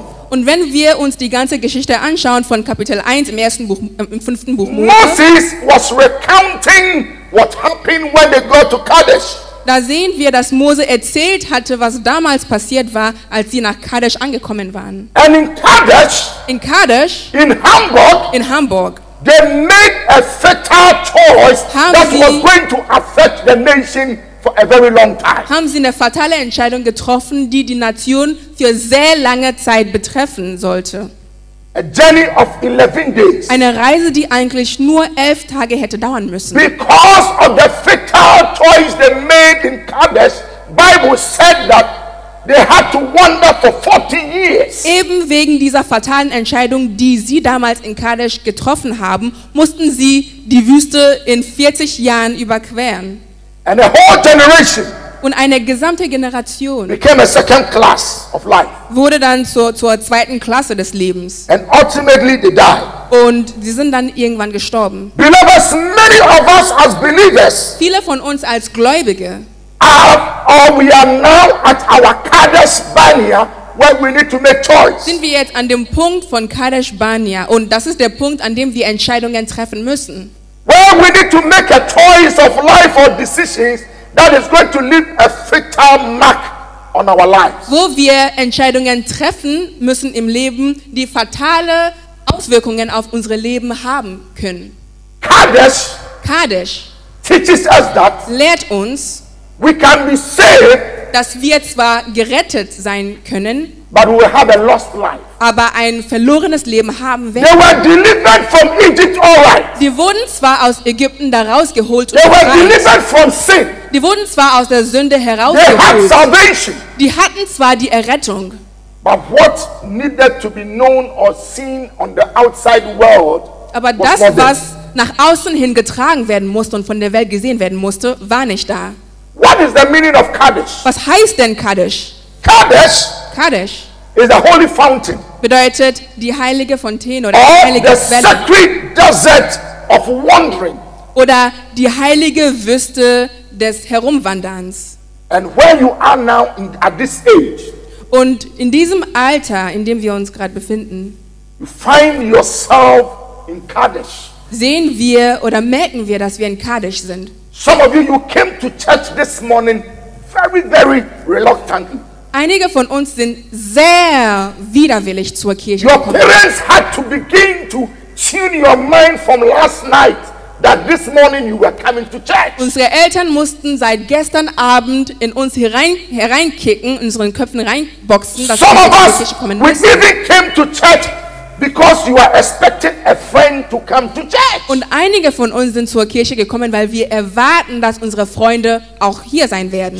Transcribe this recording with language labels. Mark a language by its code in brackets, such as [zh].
[de] Und wenn wir uns die ganze Geschichte anschauen von Kapitel 1 im ersten Buch, im 5. Buch Mose, [en] Moses was recounting what happened when they got to Kadesh. [de] Da sehen wir, dass Mose erzählt hatte, was damals passiert war, als sie nach Kadesh angekommen waren. [en] And in Kadesh, [de] in Kadesh, [en] in Hamburg, [de] in Hamburg, [en] they made a fatal choice that was going to affect the nation for a very long time. [de] Haben sie eine fatale Entscheidung getroffen, die die Nation für sehr lange Zeit betreffen sollte. [en] A journey of 11 days. [de] Eine Reise, die eigentlich nur 11 Tage hätte dauern müssen. [en] Because of the fatal choice they made in Kadesh, Bible said that they had to wander for 40 years. [de] Eben wegen dieser fatalen Entscheidung, die sie damals in Kadesh getroffen haben, mussten sie die Wüste in 40 Jahren überqueren. [en] And a whole generation. [de] Und eine gesamte Generation [en] became a second class of life. [de] Wurde dann zur zweiten Klasse des Lebens. [en] And ultimately they died. [de] Und sie sind dann irgendwann gestorben. [en] Beloved, many of us as believers, [de] viele von uns als Gläubige, [en] we are now at our Kadesh Barnea where we need to make choice. [de] Sind wir jetzt an dem Punkt von Kadesh Barnea und das ist der Punkt, an dem wir Entscheidungen treffen müssen. [en] Where we need to make a choice of life or decisions that is going to leave a fatal mark on our lives. [de] Wo wir Entscheidungen treffen müssen im Leben, die fatale Auswirkungen auf unsere Leben haben können. [en] Kadesh teaches us that [de] lehrt uns, [en] we can be saved, [de] dass wir zwar gerettet sein können, [en] but we have a lost life. [de] Aber ein verlorenes Leben haben werden. [en] They were delivered from Egypt, all right. [de] Sie wurden zwar aus Ägypten daraus geholt und [en] they were delivered from sin. [de] Sie wurden zwar aus der Sünde herausgeholt. [en] They had salvation. [de] Die hatten zwar die Errettung. [en] But what needed to be known or seen on the outside world? [de] Aber das, was nach außen hin getragen werden musste und von der Welt gesehen werden musste, war nicht da. [en] What is the meaning of Kadesh? [de] Was heißt denn Kadesh? [en] Kadesh. [de] Kadesh [en] is the holy fountain. [de] Bedeutet die heilige Fontäne oder die heilige Quelle. [en] The sacred desert of wandering. [de] Oder die heilige Wüste des Herumwanderns. [en] And where you are now at this age. [de] Und in diesem Alter, in dem wir uns gerade befinden. [en] You find yourself in Kadesh. [de] Sehen wir oder merken wir, dass wir in Kadesh sind. [en] Some of you, you came to church this morning very, very reluctantly. [de] Einige von uns sind sehr widerwillig zur Kirche [en] your Your parents had to begin to tune your mind from last night that this morning you were coming to church. [de] Unsere Eltern mussten seit gestern Abend in uns hereinkicken, in unseren Köpfen reinboxen, dass [en] some [de] wir [en] of [de] zur [en] us, [de] Kirche kommen müssen. [en] We even came to church because you are expecting a friend to come to church. [de] Und einige von uns sind zur Kirche gekommen, weil wir erwarten, dass unsere Freunde auch hier sein werden.